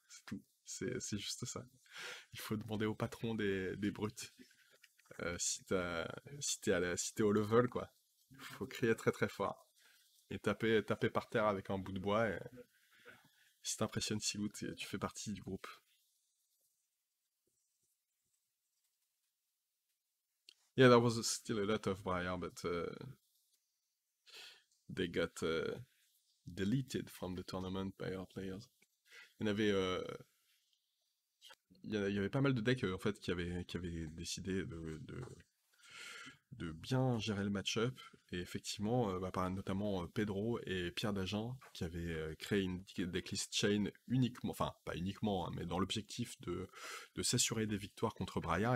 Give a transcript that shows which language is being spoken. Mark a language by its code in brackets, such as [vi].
[fr] C'est tout. C'est juste ça. Il faut demander au patron des brutes. Si t'es au level, quoi. Il faut crier très très fort. Et taper par terre avec un bout de bois. Si t'impressionnes Silou, tu fais partie du groupe. [en] Yeah, there was still a lot of Briar, but they got deleted from the tournament by our players. [fr] Il y avait pas mal de decks en fait qui avaient décidé de bien gérer le match-up. Et effectivement, notamment Pedro et Pierre Dagen qui avaient créé une decklist chain uniquement, enfin pas uniquement, hein, mais dans l'objectif de s'assurer des victoires contre Braillard.